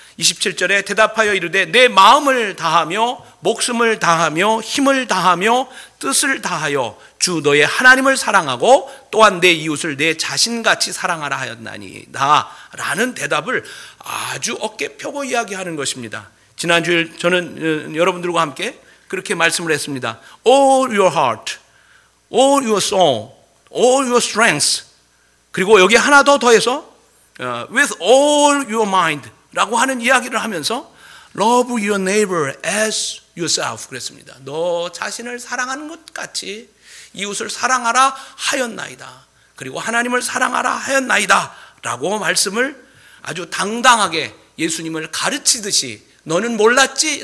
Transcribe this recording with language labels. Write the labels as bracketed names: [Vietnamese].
[Korean] 27절에 대답하여 이르되 내 마음을 다하며 목숨을 다하며 힘을 다하며 뜻을 다하여 주 너의 하나님을 사랑하고 또한 내 이웃을 내 자신같이 사랑하라 하였나니다 라는 대답을 아주 어깨 펴고 이야기하는 것입니다. 지난주에 저는 여러분들과 함께 그렇게 말씀을 했습니다. [English] All your heart, all your soul, all your strength. [Korean] 그리고 여기 하나 더 더해서 [English] with all your mind [Korean] 라고 하는 이야기를 하면서 [English] Love your neighbor as yourself [Korean] 그랬습니다. 너 자신을 사랑하는 것 같이 이웃을 사랑하라 하였나이다. 그리고 하나님을 사랑하라 하였나이다 라고 말씀을 아주 당당하게 예수님을 가르치듯이 너는 몰랐지?